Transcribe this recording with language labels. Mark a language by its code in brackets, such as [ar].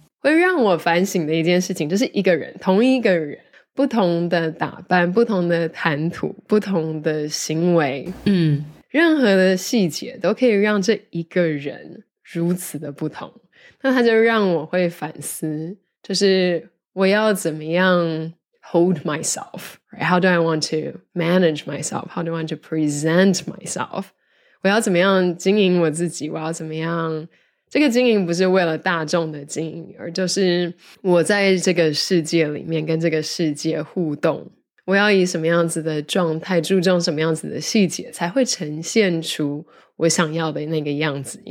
[zh] 会让我反省的一件事情就是一个人，同一个人，不同的打扮，不同的谈吐，不同的行为，嗯，任何的细节都可以让这一个人如此的不同。那他就让我会反思，就是我要怎么样 [en] Hold myself, right? How do I want to manage myself? How do I want to present myself? [zh] 我要怎么样经营我自己？我要怎么样？这个经营不是为了大众的经营，而就是我在这个世界里面跟这个世界互动，我要以什么样子的状态，注重什么样子的细节，才会呈现出我想要的那个样子。